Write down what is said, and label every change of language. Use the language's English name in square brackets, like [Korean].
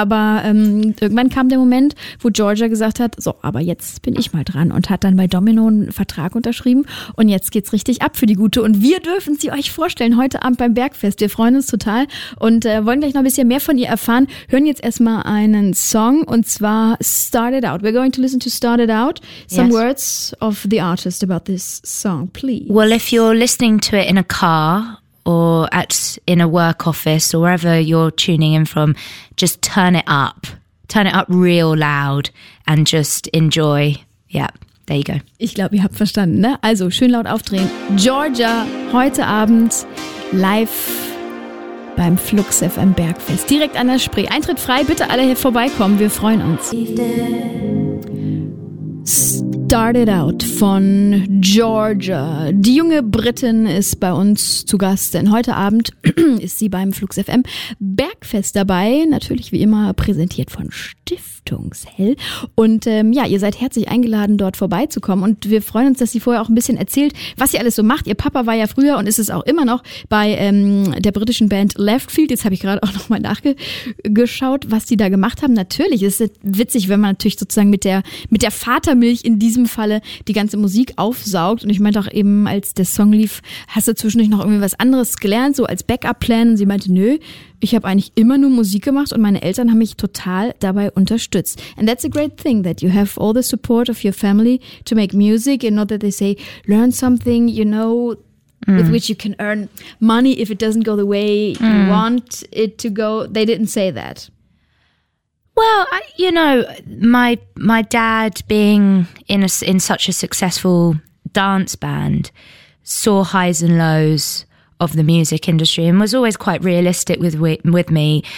[German] Aber irgendwann kam der Moment, wo Georgia gesagt hat, so, aber jetzt bin ich mal dran und hat dann bei Domino einen Vertrag unterschrieben und jetzt geht's richtig ab für die Gute. Und wir dürfen sie euch vorstellen heute Abend beim Bergfest. Wir freuen uns total und wollen gleich noch ein bisschen mehr von ihr erfahren. Hören jetzt erstmal einen Song und zwar Start It Out. [English] We're going to listen to Start It Out. Some yes. words of the artist about this song, please. Well, if you're listening to it in a car or at in a work office or wherever you're tuning in from, just turn it up. Turn it up real loud and just enjoy. Yeah, there you go. [German] Ich glaube, ihr habt verstanden, ne? Also, schön laut aufdrehen. Georgia, heute Abend live beim Flux FM Bergfest. Direkt an der Spree. Eintritt frei, bitte alle hier vorbeikommen. Wir freuen uns. Start It Out von Georgia. Die junge Britin ist bei uns zu Gast, denn heute Abend ist sie beim Flux FM Bergfest dabei. Natürlich wie immer präsentiert von Stiftungshell. Und ja, ihr seid herzlich eingeladen, dort vorbeizukommen. Und wir freuen uns, dass sie vorher auch ein bisschen erzählt, was sie alles so macht. Ihr Papa war ja früher und ist es auch immer noch bei der britischen Band Left Field. Jetzt habe ich gerade auch nochmal nachgeschaut, was die da gemacht haben. Natürlich ist es witzig, wenn man natürlich sozusagen mit der Vatermilch in diesem Falle die ganze Musik aufsaugt. Und ich meinte auch eben, als der Song lief, hast du zwischendurch noch irgendwie was anderes gelernt, so als Backup-Plan? Und sie meinte, nö, ich habe eigentlich immer nur Musik gemacht und meine Eltern haben mich total dabei unterstützt. [English] And that's a great thing, that you have all the support of your family to make music and not that they say, learn something, you know, with which you can earn money if it doesn't go the way you want it to go. They didn't say that. Well, my dad being in such a successful dance band saw highs and lows of the music industry and was always quite realistic with me.